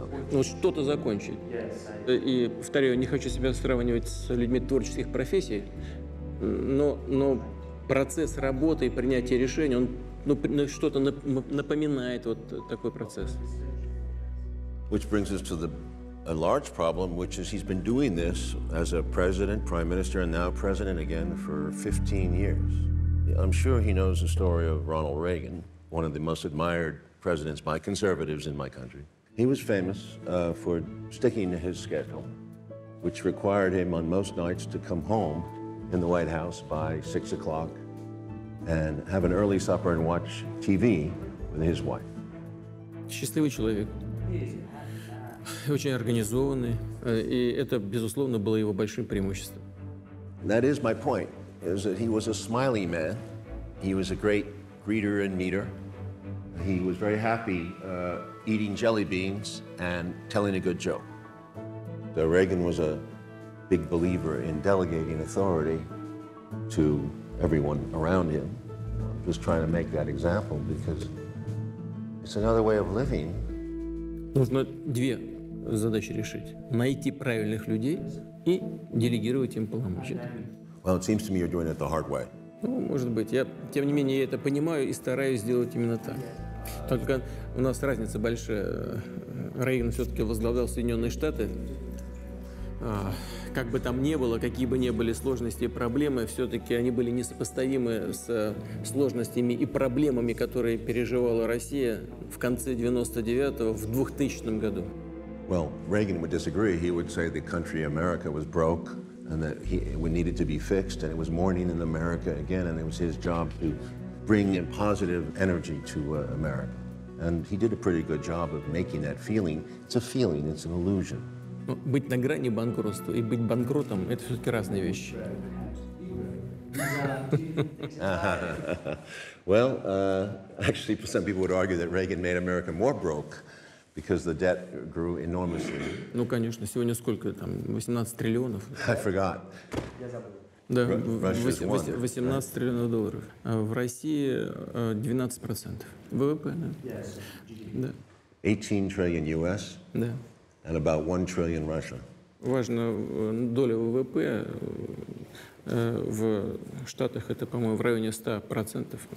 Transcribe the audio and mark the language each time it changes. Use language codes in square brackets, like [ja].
[ru] Ну, что-то закончить. И, повторяю, не хочу себя сравнивать с людьми творческих профессий, но процесс работы и принятия решений, он что-то напоминает вот такой процесс. [en] Which brings us to a large problem, which is he's been doing this as a president, prime minister, and now president again for 15 years. I'm sure he knows the story of Ronald Reagan, one of the most admired presidents by conservatives in my country. He was famous for sticking to his schedule, which required him on most nights to come home in the White House by 6 o'clock and have an early supper and watch TV with his wife. [ru] счастливый человек, очень организованный, и это, безусловно, было его большим преимуществом. [en] That is my point, is that he was a smiling man. He was a great greeter and meeter. He was very happy eating jelly beans and telling a good joke. So Reagan was a big believer in delegating authority to everyone around him. I'm just trying to make that example because it's another way of living. [ru] Нужно две задачи решить: найти правильных людей и делегировать им полномочия. [en] Well, it seems to me you're doing it the hard way. [ru] Ну, может быть, я тем не менее я это понимаю и стараюсь сделать именно так. Только у нас разница большая. Рейган все-таки возглавлял Соединенные Штаты. Как бы там ни было, какие бы ни были сложности и проблемы, все-таки они были несопоставимы с сложностями и проблемами, которые переживала Россия в конце 99-го, в 2000 году. [en] Well, Reagan would disagree. He would say the country America was broke and that we needed to be fixed and it was mourning in America again and it was his job to bring in positive energy to America. And he did a pretty good job of making that feeling. It's a feeling, it's an illusion. [ru] Но быть на грани банкротства и быть банкротом – это все-таки разные вещи. [en] Well, actually, some people would argue that Reagan made America more broke because the debt grew enormously. [ru] Ну, конечно. Сегодня сколько там? 18 триллионов. [en] I forgot. [ru] Да, 18 триллионов долларов. В России 12% ВВП, да? Да. [en] 18 trillion US? [ru] Да. [en] And about 1 trillion Russia. [ru] Важно, доля ВВП в Штатах это, по-моему, в районе 100%.